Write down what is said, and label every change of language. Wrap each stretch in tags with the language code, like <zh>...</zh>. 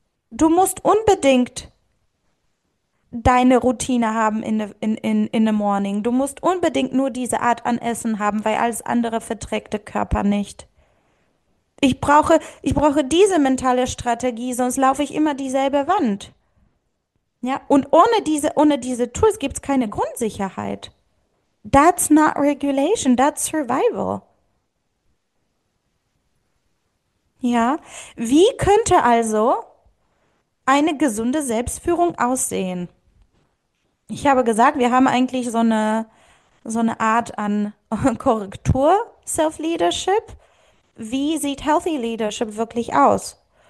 <de>Du musst unbedingt deine Routine haben</de> <en>in the morning.</en> <de>Du musst unbedingt nur diese Art an Essen haben, weil alles andere verträgt der Körper nicht. Ich brauche diese mentale Strategie, sonst laufe ich immer dieselbe Wand. Ja, und ohne diese Tools gibt es keine Grundsicherheit.</de> <en>That's not regulation, that's survival.</en> <de>Ja, wie könnte also eine gesunde Selbstführung aussehen? Ich habe gesagt, wir haben eigentlich so eine Art an Korrektur, Self-Leadership. Wie sieht Healthy Leadership wirklich aus?</de>